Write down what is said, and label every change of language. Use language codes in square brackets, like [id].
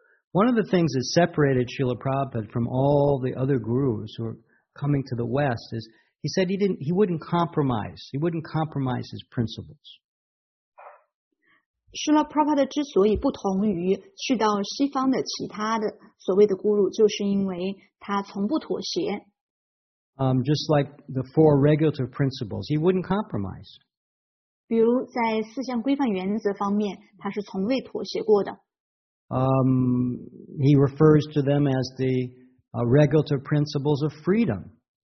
[en] One of the things that separated Srila Prabhupada from all the other gurus who are coming to the West is he said he wouldn't compromise his principles. [zh] Srila Prabhupada之所以不同于去到西方的其他的所谓的guru，就是因为他从不妥协。 [en] Just like the four regulative principles, he wouldn't compromise. [zh] 比如在四项规范原则方面，他是从未妥协过的。 [en] He refers to them as the regulative principles of freedom.